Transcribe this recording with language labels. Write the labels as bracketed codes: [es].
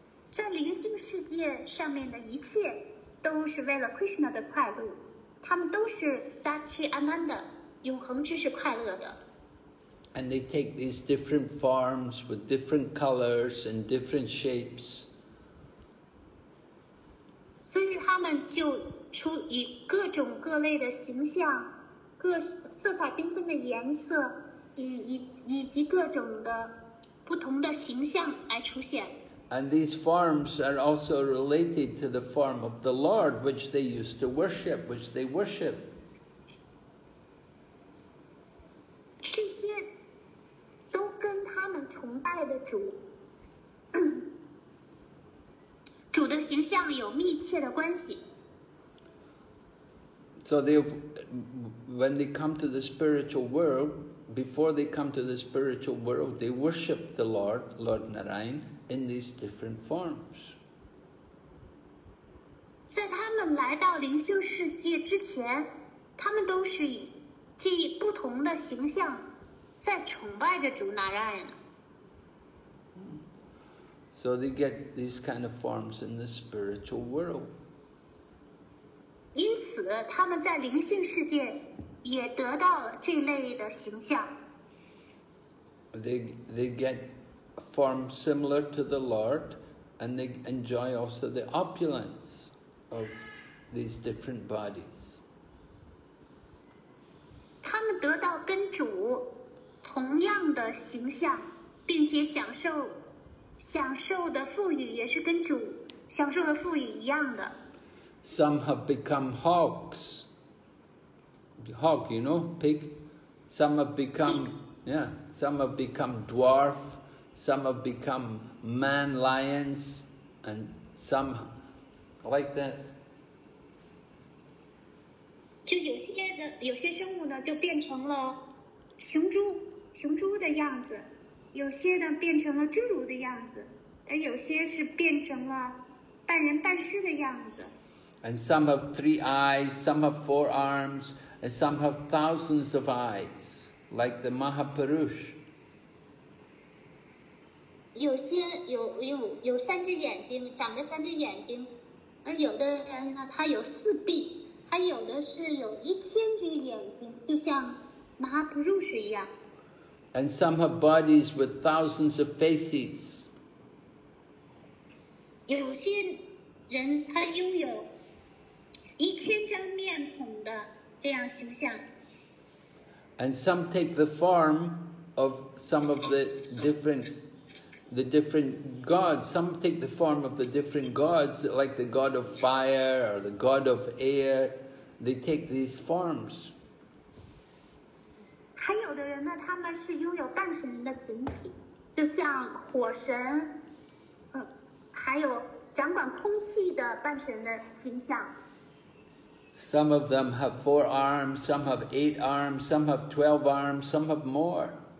[zh] 在灵性世界上面的一切都是为了 Krishna 的快乐，他们都是 Satchidananda, 永恒知识快乐的。 [en] And they take these different forms with different colors and different shapes. [zh] 所以他们就出以各种各类的形象，各色彩缤纷的颜色，以及各种的不同的形象来出现。 [en] And these forms are also related to the form of the Lord, which they used to worship, which they worship. [zh] 这些都跟他们崇拜的主，主的形象有密切的关系。 [en] So they, when they come to the spiritual world, before they come to the spiritual world, they worship the Lord, Lord Narayan. In these different forms. [zh] 在他们来到灵修世界之前，他们都是以借以不同的形象在崇拜着主拿拉耶。 [en] So they get these kind of forms in the spiritual world. [zh] 因此，他们在灵性世界也得到了这类的形象。 [en] They get. Form similar to the Lord, and they enjoy also the opulence of these different bodies. [zh] 他们得到跟主同样的形象，并且享受的富裕也是跟主享受的富裕一样的。 [en] Some have become hogs. Hog, you know, pig. Some have become, yeah, some have become dwarf. Some have become man lions, and some like that. [zh] 就有些生物呢，就变成了雄猪的样子，有些呢变成了侏儒的样子，而有些是变成了半人半狮的样子。 [en] And some have three eyes, some have four arms, and some have thousands of eyes, like the Mahapurush. [zh] 有三只眼睛，长着三只眼睛，而有的人呢，他有四臂，还有的是有一千只眼睛，就像马哈普鲁什一样。 [en] And some have bodies with thousands of faces. [zh] 有些人他拥有一千张面孔的这样形象。 [en] And some take the form of some of the different gods. Some take the form of the different gods, like the god of fire or the god of air. They take these forms. [zh] 还有的人呢，他们是拥有半神的形体，就像火神，还有掌管空气的半神的形象。 [en] Some of them have four arms, some have eight arms, some have 12 arms, some have more.